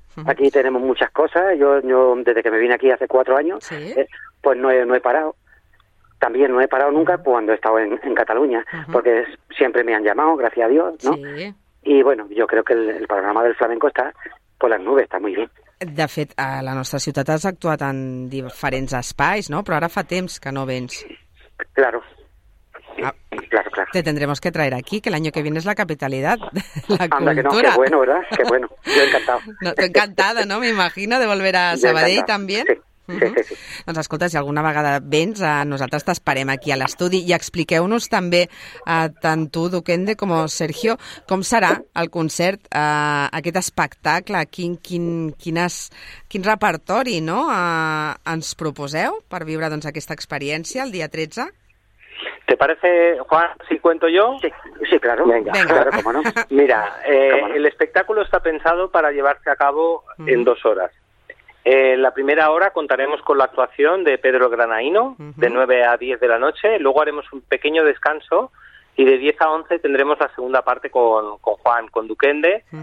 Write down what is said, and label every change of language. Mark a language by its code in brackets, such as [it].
[es] Aquí tenemos muchas cosas. Yo desde que me vine aquí hace 4 años, pues no he parado. También no he parado nunca cuando he estado en Cataluña, porque siempre me han llamado, gracias a Dios, ¿no? Sí. Y, bueno, yo creo que el panorama del flamenco está por las nubes, está muy bien. [ca] De fet, a la nostra ciutat has actuat en diferents espais, ¿no? Però ara fa temps que no vens... [es] Claro. Claro, claro. Te tendremos que traer aquí, que el año que viene es la capitalidad, la anda, cultura. Que no, qué bueno, ¿verdad? Qué bueno. Yo encantado. No, encantada, ¿no? Me imagino de volver a Sabadell también. Sí. Sí. [ca] Doncs escolta, si alguna vegada vens, nosaltres t'esperem aquí a l'estudi i expliqueu-nos també, tant tu, Duquende, com Sergio, com serà el concert, aquest espectacle, quin repertori, no, ens proposeu per viure doncs, aquesta experiència el dia 13? [es] ¿Te parece, Juan, si cuento yo? Sí, sí, claro. Venga. Claro, cómo no. Mira, ¿cómo no? El espectáculo está pensado para llevarse a cabo en 2 horas. La primera hora contaremos con la actuación de Pedro Granaíno, de 9 a 10 de la noche. Luego haremos un pequeño descanso y de 10 a 11 tendremos la segunda parte con Juan, con Duquende.